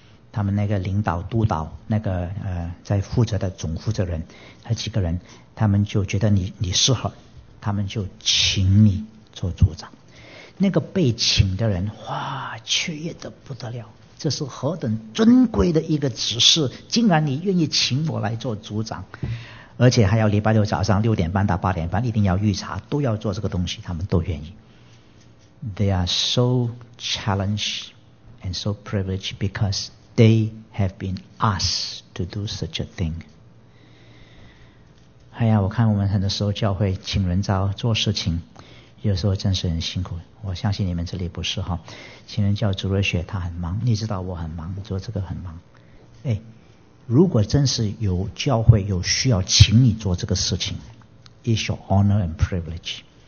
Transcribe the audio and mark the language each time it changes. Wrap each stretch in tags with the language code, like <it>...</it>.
<zh>他们那个领导督导那个在负责的总负责人和几个人，他们就觉得你适合，他们就请你做组长。那个被请的人哇雀跃得不得了，这是何等尊贵的一个指示，竟然你愿意请我来做组长，而且还要礼拜六早上6:30到8:30一定要预查，都要做这个东西，他们都愿意。</zh> <en>They are so challenged and so privileged because they have been asked to do such a thing.</en> <zh>哎呀，我看我们很多时候教会请人招做事情，有时候真是很辛苦。我相信你们这里不是哈，请人叫朱若雪，她很忙，你知道我很忙，做这个很忙。哎，如果真是有教会有需要请你做这个事情 ，</zh> <en>It's your honor and privilege.</en>